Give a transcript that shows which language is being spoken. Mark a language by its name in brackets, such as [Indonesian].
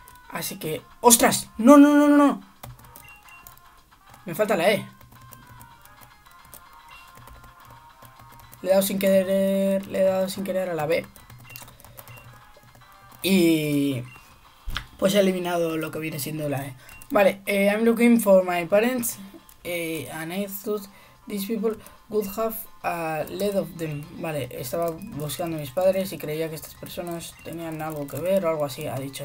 [Spanish] Así que. ¡Ostras! ¡No, no, no, no, no! Me falta la E. Le he dado sin querer. Le he dado sin querer a la B. Y. Pues he eliminado lo que viene siendo la E. [English] Vale, I'm looking for my parents. And I thought these people would have a lead of them. [Spanish] Vale, estaba buscando a mis padres y creía que estas personas tenían algo que ver o algo así, ha dicho.